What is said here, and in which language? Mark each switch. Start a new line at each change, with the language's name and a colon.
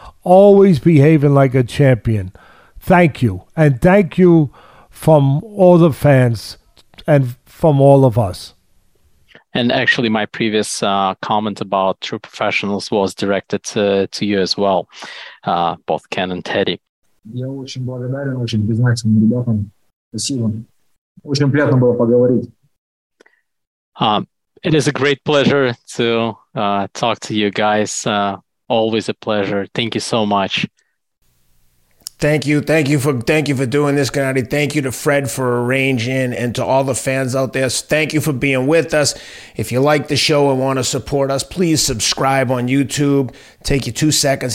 English: Always behaving like a champion. Thank you. And thank you from all the fans and from all of us. And actually, my previous comment about true professionals was directed to you as well, both Ken and Teddy.
Russian: Я очень благодарен, очень признательным ребятам. Спасибо. Очень приятно было поговорить.
English: It is a great pleasure to talk to you guys. Always a pleasure. Thank you so much. Thank you for doing this, Gennady. Thank you to Fred for arranging, and to all the fans out there. Thank you for being with us. If you like the show and want to support us, please subscribe on YouTube. Take you 2 seconds.